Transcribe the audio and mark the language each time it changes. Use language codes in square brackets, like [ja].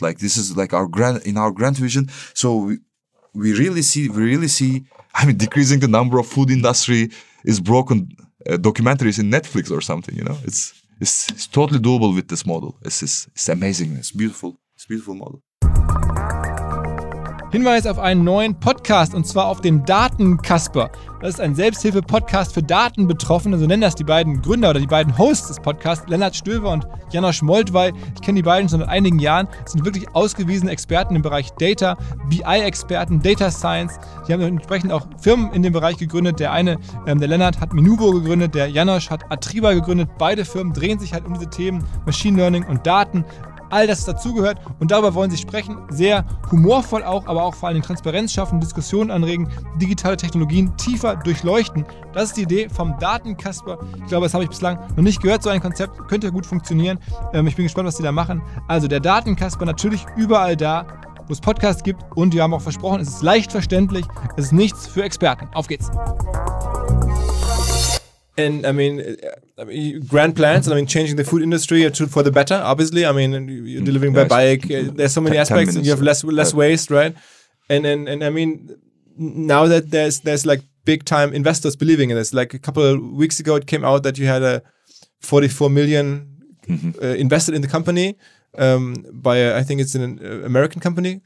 [en] Like, this is like our grand vision. So we really see, I mean, decreasing the number of food industry is broken documentaries in Netflix or something, you know. It's totally doable with this model. It's amazing. It's a beautiful model. [de] Hinweis auf einen neuen Podcast, und zwar auf den Datenkasper. Das ist ein Selbsthilfe-Podcast für Datenbetroffene. So nennen das die beiden Gründer oder die beiden Hosts des Podcasts, Lennart Stöver und Janosch Moltwey. Ich kenne die beiden schon seit einigen Jahren. Das sind wirklich ausgewiesene Experten im Bereich Data, BI-Experten, Data Science. Die haben entsprechend auch Firmen in dem Bereich gegründet. Der eine, der Lennart, hat Minuvo gegründet. Der Janosch hat Atriba gegründet. Beide Firmen drehen sich halt um diese Themen Machine Learning und Daten. All das dazugehört, und darüber wollen sie sprechen, sehr humorvoll auch, aber auch vor allem Transparenz schaffen, Diskussionen anregen, digitale Technologien tiefer durchleuchten. Das ist die Idee vom Datenkasper. Ich glaube, das habe ich bislang noch nicht gehört, so ein Konzept könnte gut funktionieren. Ich bin gespannt, was sie da machen. Also der Datenkasper natürlich überall da, wo es Podcasts gibt, und wir haben auch versprochen, es ist leicht verständlich, es ist nichts für Experten. Auf geht's! [en] And I mean, grand plans, and I mean, changing the food industry for the better, obviously. I mean, you're delivering by bike. There's so many aspects, and you have less waste, right? And I mean, now that there's like big time investors believing in this, like a couple of weeks ago, it came out that you had a 44 million invested in the company by, I think it's an American company.